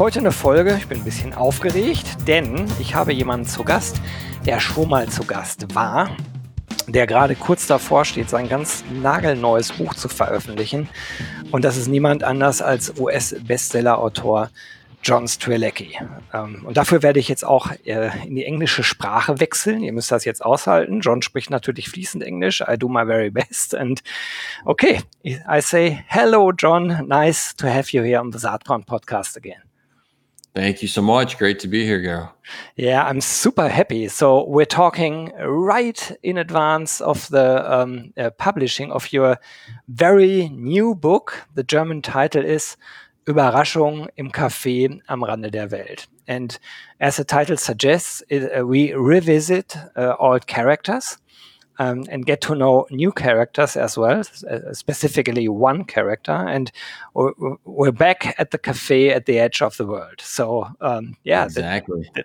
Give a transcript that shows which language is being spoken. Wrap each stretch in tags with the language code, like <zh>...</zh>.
<de>Heute eine Folge, ich bin ein bisschen aufgeregt, denn ich habe jemanden zu Gast, der schon mal zu Gast war, der gerade kurz davor steht, sein ganz nagelneues Buch zu veröffentlichen. Und das ist niemand anders als US-Bestseller-Autor John Strelecki. Und dafür werde ich jetzt auch in die englische Sprache wechseln. Ihr müsst das jetzt aushalten. John spricht natürlich fließend Englisch.</de> <en>I do my very best. And okay, I say hello, John. Nice to have you here on the Saatkorn podcast again. Thank you so much. Great to be here, Gero. Yeah, I'm super happy. So we're talking right in advance of the publishing of your very new book. The German title is Überraschung im Café am Rande der Welt. And as the title suggests, we revisit old characters and get to know new characters as well, specifically one character. And we're back at the café at the edge of the world. So, exactly.</en>